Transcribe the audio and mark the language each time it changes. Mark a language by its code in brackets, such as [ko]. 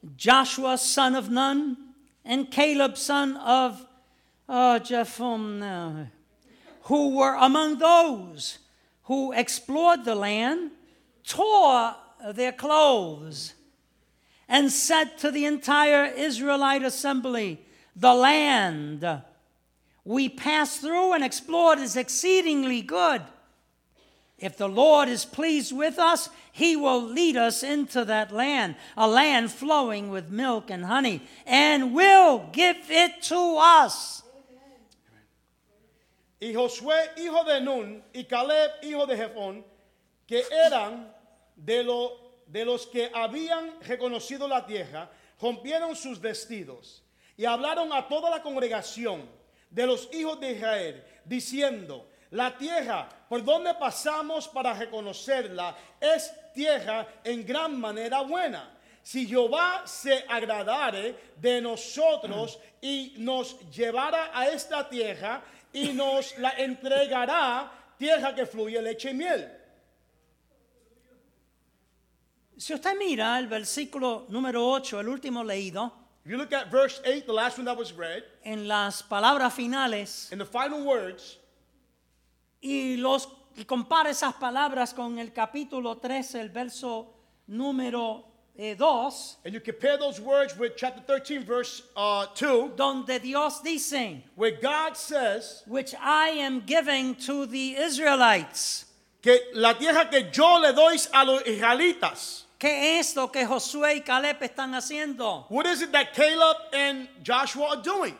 [en] Joshua, son of Nun, and Caleb, son of Jephunneh, who were among those who explored the land, tore their clothes and said to the entire Israelite assembly, "The land we passed through and explored is exceedingly good. If the Lord is pleased with us, he will lead us into that land, a land flowing with milk and honey, and will give it to us." [es] Y Josué, hijo de Nun, y Caleb, hijo de Jefón, que eran de los que habían reconocido la tierra, rompieron sus vestidos y hablaron a toda la congregación de los hijos de Israel, diciendo, "La tierra por donde pasamos para reconocerla es tierra en gran manera buena. Si Jehová se agradare de nosotros y nos llevara a esta tierra y nos la entregará, tierra que fluye leche y miel." Si usted mira el versículo número 8, el último leído, [en] if you look at verse 8, the last one that was read, [es] en las palabras finales, [en] in the final words, [es] y compara esas palabras con el capítulo 13, el verso número 2. [en] And you compare those words with chapter 13, verse 2. [es] Donde Dios dice, [en] where God says, which I am giving to the Israelites. [es] que la tierra que yo le doy a los israelitas. ¿Qué es lo que Josué y Caleb están haciendo? [en] What is it that Caleb and Joshua are doing?